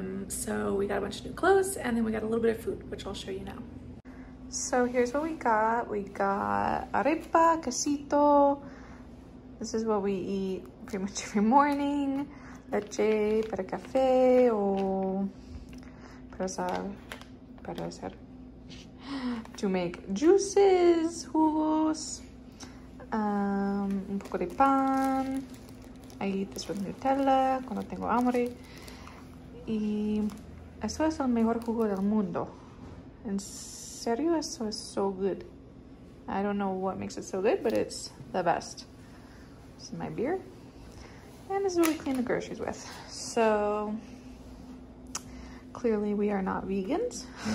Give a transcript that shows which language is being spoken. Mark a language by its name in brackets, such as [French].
[English] So we got a bunch of new clothes and then we got a little bit of food, which I'll show you now. So here's what we got. We got arepa, quesito. This is what we eat pretty much every morning. [Spanish] Leche para café o para hacer [English] to make juices, [Spanish] jugos, un poco de pan. [English] I eat this with Nutella [Spanish] cuando tengo hambre. Y eso es el mejor jugo del mundo. En serio, eso es [English] so good. I don't know what makes it so good, but it's the best. This is my beer. And this is what we clean the groceries with. So, clearly we are not vegans.